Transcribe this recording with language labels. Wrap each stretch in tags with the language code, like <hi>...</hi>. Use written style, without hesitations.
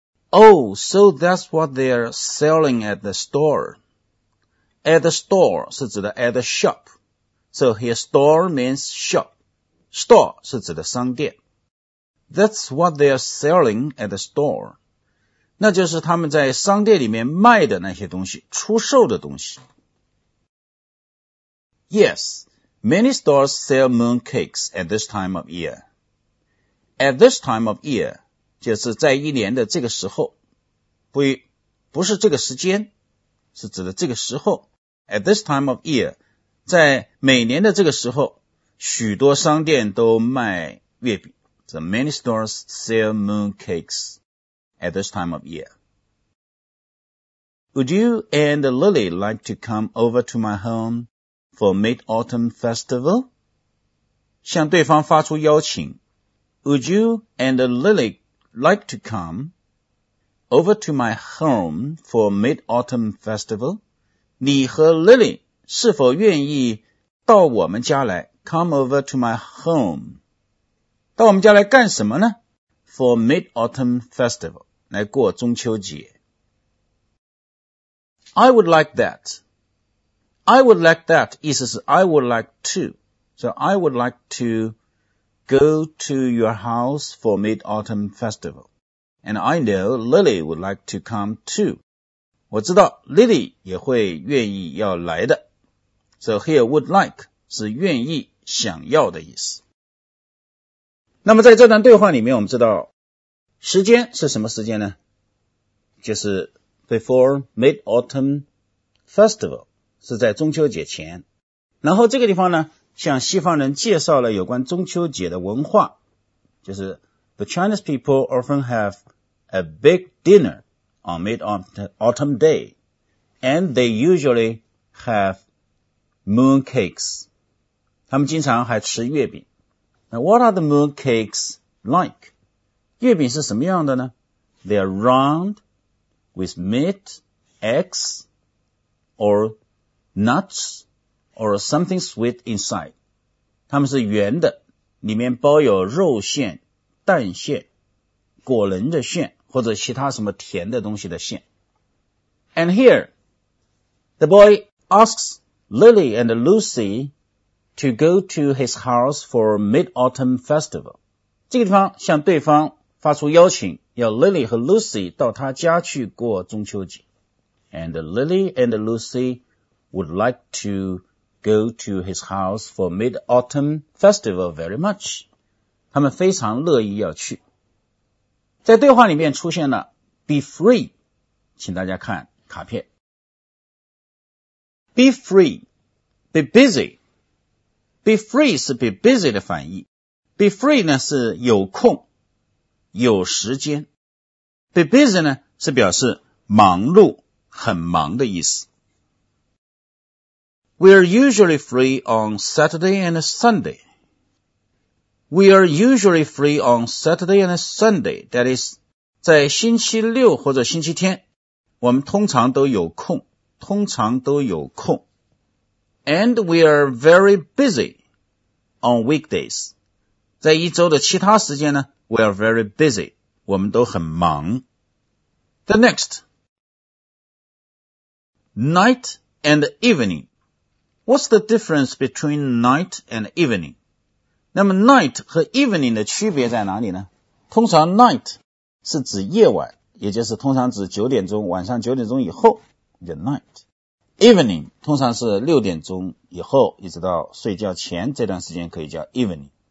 <en>Oh, so that's what they're selling at the store. At the store</en> <zh>是指的</zh> <en>at the shop. So here store means shop.</en> <zh>Store 是指的商店。</zh> <en>That's what they're selling at the store.</en> <zh>那就是他们在商店里面卖的那些东西，出售的东西。</zh> <en>Yes, many stores sell moon cakes at this time of year. At this time of year,</en> <zh>就是在一年的这个时候，不是这个时间，是指的这个时候。</zh> <en>At this time of year,</en> <zh>在每年的这个时候，许多商店都卖月饼。</zh> <en>So many stores sell moon cakes at this time of year. Would you and Lily like to come over to my home for Mid-Autumn Festival?</en> <zh>向对方发出邀请。</zh> <en>Would you and Lily? Like to come over to my home for Mid-Autumn Festival?</en> <zh>你和 Lily 是否愿意到我们家来</zh> <en>?Come over to my home.</en> <zh>到我们家来干什么呢</zh> <en>?For Mid-Autumn Festival.</en> <zh>来过中秋节。</zh> <en>I would like that. I would like that</en> <zh>意思是</zh> <en>I would like to. So I would like to... Go to your house for Mid-Autumn Festival. And I know Lily would like to come too.</en> <zh>我知道 Lily 也会愿意要来的。 So here would like 是愿意想要的意思。那么在这段对话里面我们知道时间是什么时间呢？就是</zh> <en>before Mid-Autumn Festival,</en> <zh>是在中秋节前。然后这个地方呢，向西方人介绍了有关中秋节的文化，就是</zh> <en>The Chinese people often have a big dinner on mid-autumn day, and they usually have moon cakes.</en> <zh>他们经常还吃月饼。</zh> <en>Now, what are the moon cakes like?</en> <zh>月饼是什么样的呢？</zh> <en>They are round with meat, eggs, or nuts, or something sweet inside.</en> <zh>它们是圆的，里面包有肉馅、蛋馅、果仁的馅，或者其他什么甜的东西的馅。</zh> <en>And here, the boy asks Lily and Lucy to go to his house for mid-autumn festival.</en> <zh>这个地方向对方发出邀请。要 Lily 和 Lucy 到他家去过中秋节。</zh> <en>And Lily and Lucy would like to go to his house for mid-autumn festival very much.</en> <zh>他们非常乐意要去。在对话里面出现了 be free, 请大家看卡片。</zh> <en>Be free, be busy.</en> <zh>Be free 是 be busy 的反义。 Be free 呢是有空。有时间 be busy 呢是表示忙碌很忙的意思</zh> <en>We are usually free on Saturday and Sunday We are usually free on Saturday and Sunday That is</en> <zh>在星期六或者星期天我们通常都有空通常都有空</zh> <en>And we are very busy on weekdays</en> <zh>在一周的其他时间呢</zh> <en>We are very busy.</en> <zh>我们都很忙。</zh> <en>The next. Night and evening. What's the difference between night and evening?</en> <zh>那么 night 和 evening 的区别在哪里呢？通常 night 是指夜晚，也就是通常指九点钟，晚上九点钟以后的 night。 Evening 通常是六点钟以后，一直到睡觉前这段时间可以叫 evening。</zh>